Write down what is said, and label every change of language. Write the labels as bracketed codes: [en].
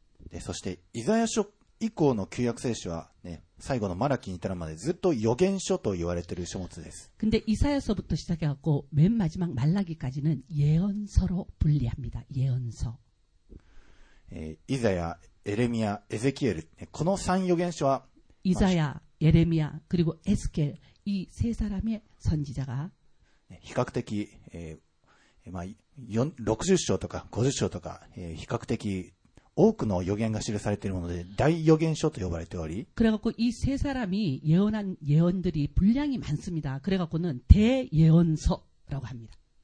[ja] でそしてイザヤ書以降の旧約聖書は、ね、最後のマラキに至るまでずっと預言書と言われている書物です。 [ko] 근데이사야서부터시작해갖고맨마지막말라기까지는예언서로분리합니다。 예언서。 [ja] 이사야、에레미야、에제키엘、この3預言書は、 [ko] 이사야、예레미야그리고에스겔이세사람의선지자가 [ja] 比較的、まあ、60章とか50章とか、比較的多くの予言が記されているもので大予言書と呼ばれており、 [ko] 그래갖고이세사람이예언한예언들이분량이많습니다그래갖고는대예언서라고합니다